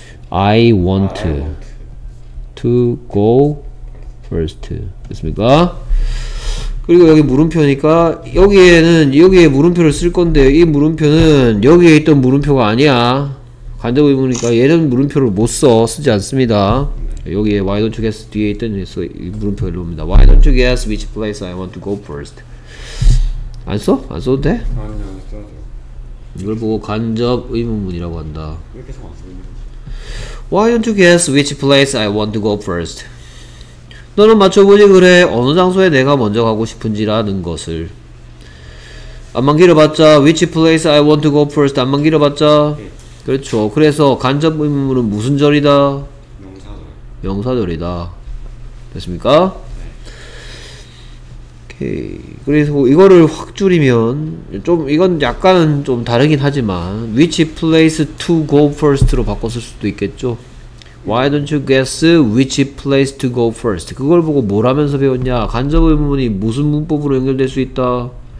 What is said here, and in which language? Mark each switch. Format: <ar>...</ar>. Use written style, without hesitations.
<en>I want to go first.</en> <ko>됐습니까? 그리고 여기 물음표니까 여기에는 여기에 물음표를 쓸 건데 이 물음표는 여기에 있던 물음표가 아니야. 간접 의문이니까 얘는 물음표를 못 써. 쓰지 않습니다. 여기에</ko> <en>why don't you guess</en> <ko>뒤에 있던 이 물음표 이리 옵니다.</ko> <en>Why don't you guess which place I want to go first?</en> <ko>안 써? 안 써도 돼? 아니 안 써도 돼. 이걸 보고 간접 의문문이라고 한다. 이렇게 써 안 써도 돼.</ko> <en>Why don't you guess which place I want to go first?</en> <ko>너는 맞춰보지 그래. 어느 장소에 내가 먼저 가고 싶은지라는 것을. 안만 길어봤자</ko> <en>which place I want to go first?</en> <ko>안만 길어봤자 네. 그렇죠. 그래서 간접 의문문은 무슨 절이다? 명사절. 명사절이다. 됐습니까? 그래서 이거를 확 줄이면 좀 이건 약간 좀 다르긴 하지만</ko> <en>which place to go first</en> <ko>로 바꿨을 수도 있겠죠.</ko> <en>Why don't you guess which place to go first?</en> <ko>그걸 보고 뭘 하면서 배웠냐? 간접 의문이 무슨 문법으로 연결될 수 있다?</ko>